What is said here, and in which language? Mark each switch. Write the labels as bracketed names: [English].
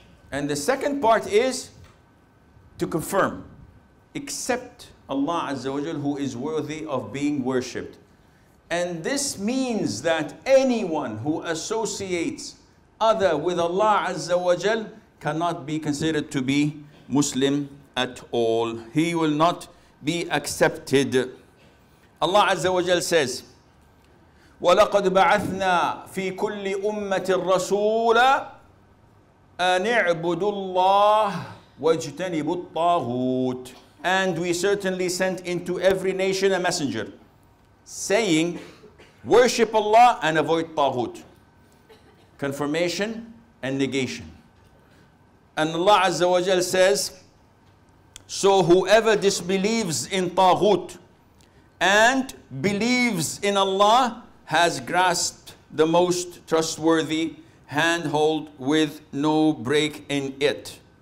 [English] And the second part is to confirm, except Allah Azza wa Jal, who is worthy of being worshipped. And this means that anyone who associates other with Allah Azza wa Jal cannot be considered to be Muslim at all. He will not be accepted. Allah Azza wa Jal says, [Arabic] وَلَقَدْ بَعَثْنَا فِي كُلِّ أُمَّةٍ رَسُولًا أَنِعْبُدُ اللَّهِ وَاجْتَنِبُ الطَّاغُوتِ. [English] And we certainly sent into every nation a messenger saying, worship Allah and avoid taghut. Confirmation and negation. And Allah Azza wa Jal says, so whoever disbelieves in taghut and believes in Allah has grasped the most trustworthy handhold with no break in it.